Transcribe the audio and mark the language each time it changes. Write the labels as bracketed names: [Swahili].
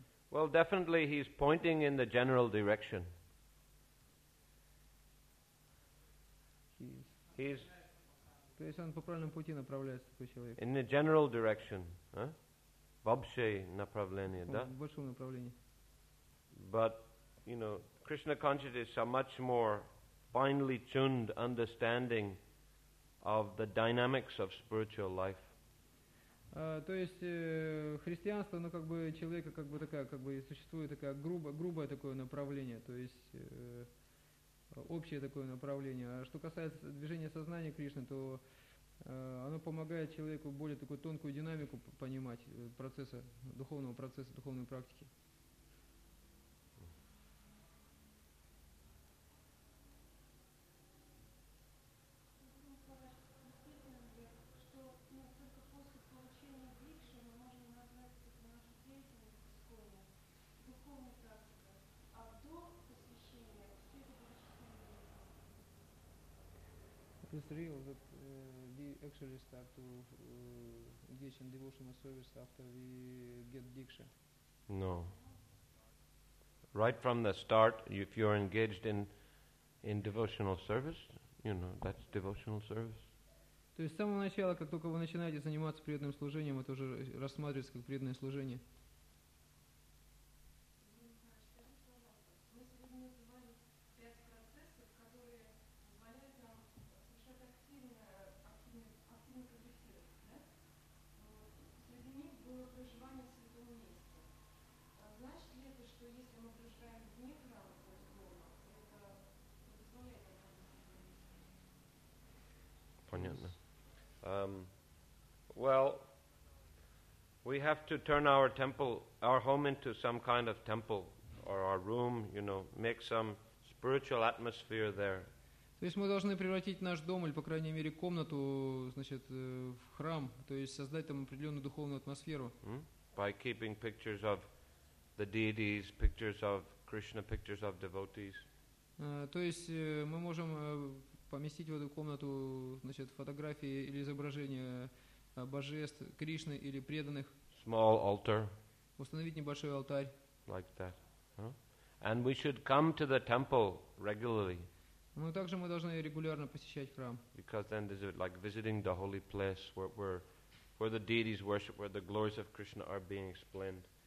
[English] Well, definitely he's pointing in the general direction. He's on [Russian] по правильному пути направляется такой человек. [English] In the general direction, [Russian] в общее направление, да? В большом направлении. [English] But, you know, Krishna consciousness is a much more finely tuned understanding of the dynamics of spiritual life. [Russian] То есть христианство, оно как бы человека как бы такая, как бы существует такая грубое такое направление, то есть общее такое направление. А что касается движения сознания Кришны, то оно помогает человеку более такую тонкую динамику понимать процесса, духовного процесса, духовной практики. [English] It's real that we actually start to engage in devotional service after we get Diksha. No. Right from the start, if you're engaged in devotional service, you know, that's devotional service. [Russian] То есть с самого начала, как только вы начинаете заниматься преданным служением, это уже рассматривается как преданное служение. Понятно. [English] Well, we have to turn our temple, our home into some kind of temple, or our room, you know, make some spiritual atmosphere there. [Russian] То есть мы должны превратить наш дом или, по крайней мере, комнату, значит, в храм, то есть создать там определенную духовную атмосферу. [English] By keeping pictures of the deities, pictures of Krishna, pictures of devotees. [Russian] То есть мы можем поместить в эту комнату, значит, фотографии или изображения божеств, Кришны или преданных. [English] Small altar. [Russian] Установить небольшой алтарь. [English] Like that. And we should come to the temple regularly. [Russian] Но также мы должны регулярно посещать храм. [English] Because then is it like visiting the holy place where the deities worship, where the glories of Krishna are being explained.